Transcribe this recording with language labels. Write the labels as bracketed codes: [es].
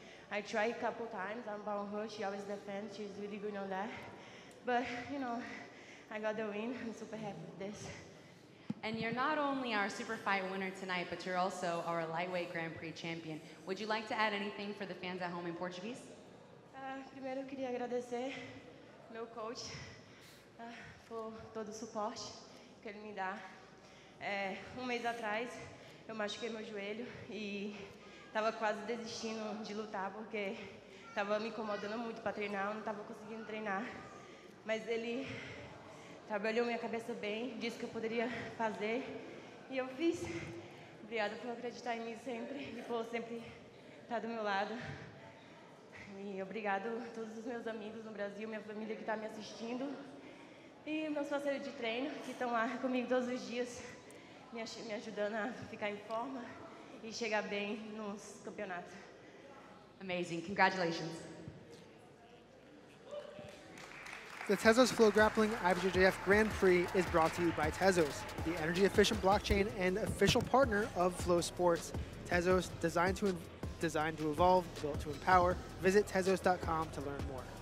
[en] I tried a couple times on her. She always defends. She's really good on that. But, you know, I got the win. I'm super happy with this. And you're not only our Super Fight winner tonight, but you're also our Lightweight Grand Prix champion. Would you like to add anything for the fans at home in Portuguese? [pt] Primeiro, queria agradecer meu coach por todo o suporte que ele me dá. Mês atrás, eu machuquei meu joelho e estava quase desistindo de lutar porque estava me incomodando muito para treinar, eu não estava conseguindo treinar. Mas ele trabalhou minha cabeça bem, disse que eu poderia fazer, e eu fiz. Obrigada por acreditar em mim sempre, e por sempre estar do meu lado. E obrigado a todos os meus amigos no Brasil, minha família que está me assistindo, e meus parceiros de treino, que estão lá comigo todos os dias, me ajudando a ficar em forma e chegar bem nos campeonatos. [en] Amazing, congratulations. The Tezos Flow Grappling IBJJF Grand Prix is brought to you by Tezos, the energy-efficient blockchain and official partner of Flow Sports. Tezos, designed to evolve, built to empower. Visit Tezos.com to learn more.